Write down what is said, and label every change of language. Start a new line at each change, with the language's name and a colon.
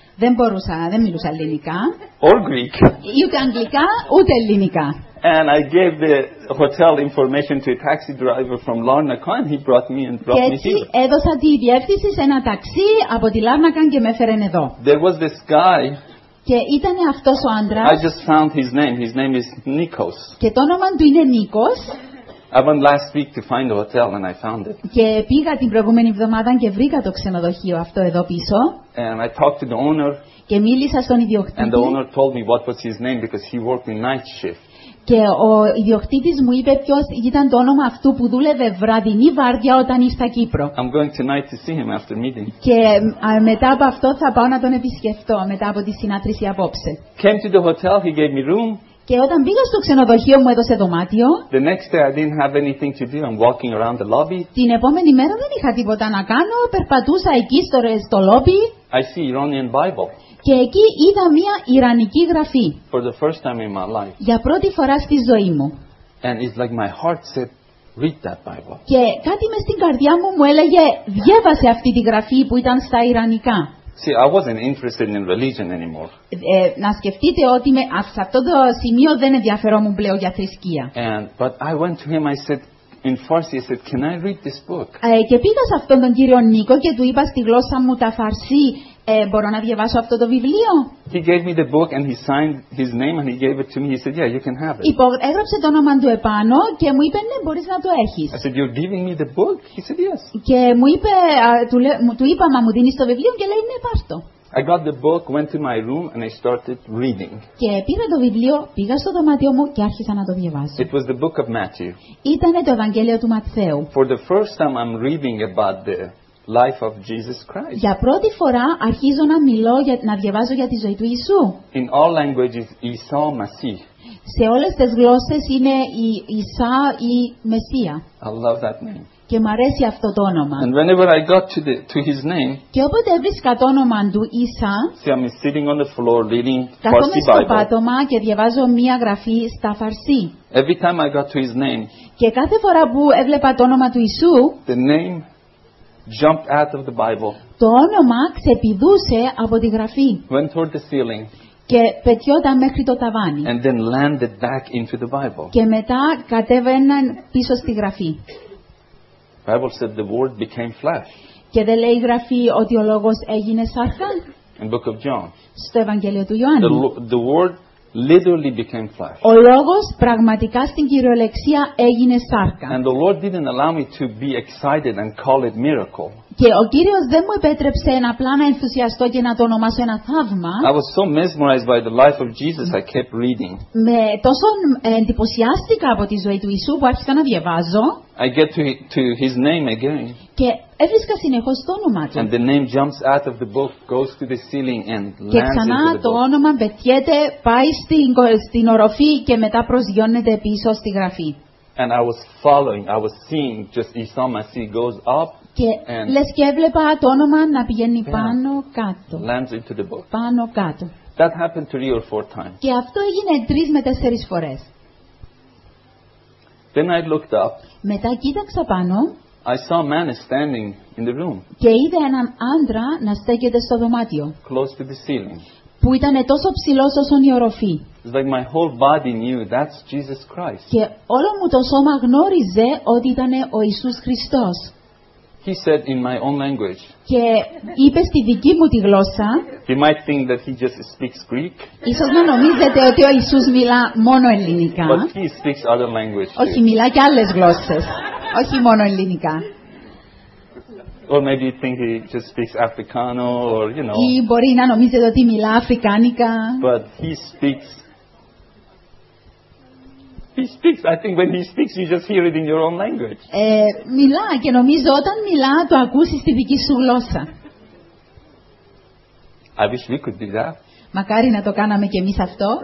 Greek: Δεν μπορούσα, δεν μιλούσα ελληνικά.
English: Or Greek.
Greek: Ούτε αγγλικά, ούτε ελληνικά.
English: And I gave the hotel information to a taxi driver from Larnaca and he brought me and brought me here.
Greek: Και έτσι έδωσα τη διεύθυνση σε ένα ταξί από τη Λάρνακα και με έφερε εδώ.
English: There was this guy.
Greek: Και ήταν αυτός ο άντρας.
English: I just found his name. His name is Nikos.
Greek: Και το όνομα του είναι Νίκος.
English: I went last week to find the hotel and I found it.
Greek: Και πήγα την προηγούμενη εβδομάδα και βρήκα το ξενοδοχείο αυτό εδώ πίσω.
English: And I talked to the owner.
Greek: Και μίλησα στον ιδιοκτήτη.
English: And the owner told me what was his name because he worked in night shift.
Greek: Και ο ιδιοκτήτης μου είπε ποιος ήταν το όνομα αυτού που δούλευε βραδινή βάρδια όταν ήρθα Κύπρο.
English: I'm going tonight to see him after meeting.
Greek: Και μετά από αυτό θα πάω να τον επισκεφτώ μετά από τη συνάντηση απόψε.
English: Came to the hotel, he gave me room.
Greek: Και όταν πήγα στο ξενοδοχείο μου έδωσε δωμάτιο.
English: The next day I didn't have anything to do. I'm walking around the lobby.
Greek: Την επόμενη μέρα δεν είχα τίποτα να κάνω. Περπατούσα εκεί στο λόμπι.
English: I see Iranian Bible.
Greek: Και εκεί είδα μια Ιρανική γραφή.
English: For the first time in my life.
Greek: Για πρώτη φορά στη ζωή μου.
English: And it's like my heart said, read that Bible.
Greek: Και κάτι μες στην καρδιά μου μου έλεγε, διάβασε αυτή τη γραφή που ήταν στα Ιρανικά.
English: See, I wasn't interested in religion anymore.
Greek: Να σκεφτείτε ότι σε αυτό το σημείο δεν ενδιαφερόμουν πλέον για θρησκεία.
English: But I went to him, I said, in Farsi, I said, can I read this book?
Greek: Και πήγα σε αυτόν τον κύριο Νίκο και του είπα στη γλώσσα μου τα Φαρσί, μπορώ να διαβάσω αυτό το βιβλίο?
English: He gave me the book and he signed his name and he gave it to me. He said, yeah, you can have it.
Greek: Έγραψε το όνομα του επάνω και μου είπε, ναι, μπορείς να το έχεις.
English: I said, you're giving me the book? He said, yes.
Greek: Και μου είπε, του είπα, μα μου δίνεις το βιβλίο? Και λέει, ναι, πάρ' το.
English: I got the book, went to my room and I started reading.
Greek: Και πήρα το βιβλίο, πήγα στο δωμάτιο μου και άρχισα να το διαβάζω.
English: It was the book of Matthew.
Greek: Ήτανε το Ευαγγέλιο του Ματθαίου.
English: For the first time I'm reading about the life of Jesus Christ.
Greek: Για πρώτη φορά αρχίζω να μιλώ να διαβάζω για τη ζωή του Ιησού.
English: In all languages, Isao Masih.
Greek: Σε όλες τις γλώσσες είναι Ισά ή Μεσσία.
English: I love that name.
Greek: Και μ' αρέσει αυτό το όνομα.
English: And whenever I got to his name.
Greek: Και όποτε έβρισκα το όνομα του Ισά.
English: See, I'm sitting on the floor reading Farsi Bible.
Greek: Κάθομαι στο πάτωμα και διαβάζω μία γραφή στα Φαρσί.
English: Every time I got to his name.
Greek: Και κάθε φορά που έβλεπα το όνομα του Ιησού.
English: The name jumped out of the Bible.
Greek: Το όνομα ξεπηδούσε από τη γραφή.
English: Went toward the ceiling.
Greek: Και πετιόταν μέχρι το ταβάνι.
English: And then landed back into the Bible.
Greek: Και μετά κατέβαιναν πίσω στη γραφή.
English: Bible said the word became flesh.
Greek: Και δεν λέει η γραφή ότι ο λόγος έγινε σάρκα.
English: In book of John.
Greek: Στο Ευαγγέλιο του Ιωάννη.
English: The word literally became flesh.
Greek: Ο λόγος πραγματικά στην κυριολεξία έγινε σάρκα.
English: And the Lord didn't allow me to be excited and call it miracle.
Greek: Και ο Κύριος δεν μου επέτρεψε ένα απλά να ενθουσιαστώ και να το ονομάσω ένα θαύμα.
English: I was so mesmerized by the life of Jesus I kept reading.
Greek: Με τόσο εντυπωσιάστηκα από τη ζωή του Ιησού που άρχισα να διαβάζω.
English: I get to his name again.
Greek: Και έβρισκα συνεχώς το όνομά του.
English: And the name jumps out of the book, goes to the ceiling and lands.
Greek: Και ξανά το όνομα πετιέται, πάει στην οροφή και μετά προσγειώνεται πίσω στη γραφή.
English: And I was following, I was seeing just Isao Masih goes up.
Greek: Και λες και έβλεπα το όνομα να πηγαίνει πάνω κάτω.
English: Lands into the book.
Greek: Πάνω κάτω.
English: That happened three or four times.
Greek: Και αυτό έγινε τρεις με τέσσερις φορές.
English: Then I looked up.
Greek: Μετά κοίταξα πάνω.
English: I saw a man standing in the room.
Greek: Και είδα έναν άντρα να στέκεται στο δωμάτιο.
English: Close to the ceiling.
Greek: Που ήταν τόσο ψηλός όσο η οροφή.
English: It's like my whole body knew that's Jesus Christ.
Greek: Και όλο μου το σώμα γνώριζε ότι ήταν ο Ιησούς Χριστός.
English: He said in my own language.
Greek: Και είπε στη δική μου τη γλώσσα.
English: He might think that he just speaks Greek.
Greek: Ίσως να νομίζετε ότι ο Ιησούς μιλά μόνο ελληνικά.
English: But he speaks other languages.
Greek: Όχι, μιλά και άλλες γλώσσες. Όχι μόνο ελληνικά.
English: Or maybe you think he just speaks Africano, or you know.
Greek: Ή μπορεί να νομίζετε ότι μιλά αφρικάνικα.
English: But he speaks. He speaks. I think when he speaks, you just hear it in your own language.
Greek: Μιλά και νομίζω όταν μιλά το ακούσεις στη δική σου γλώσσα.
English: I wish we could do that.
Greek: Μακάρι να το κάναμε και εμείς αυτό.